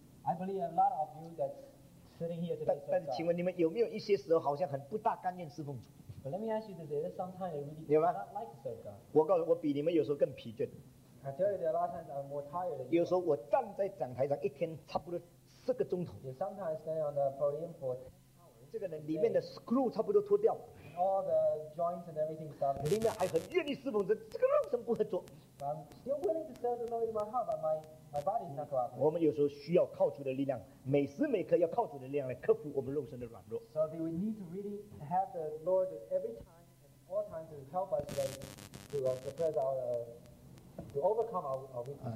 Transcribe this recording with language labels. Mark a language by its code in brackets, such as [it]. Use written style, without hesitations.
[en] I believe a lot of you that's sitting here today. [zh] 但是请问你们有没有一些时候好像很不大甘愿侍奉主 [en] ？But let me ask you this: There's sometimes you really do not like to serve God. [zh] 我告诉我比你们有时候更疲倦。 [en] I tell you that a lot of times I'm more tired than you. [zh] 有时候我站在讲台上一天差不多。四个钟头。 [en] You sometimes stand on the podium for [zh] 这个呢，里面的 screw 差不多脱掉 [en] 了。All the joints and everything stopped. [zh] 里面还很愿意侍奉着，这个肉身不合作。 [en] I'm still willing to serve the Lord in my heart, but my body is not cooperating. [zh] 我们有时候需要靠主的力量，每时每刻要靠主的力量来克服我们肉身的软弱。 [en] So do we need to really have the Lord every time and all time to help us then to suppress our to overcome our weakness?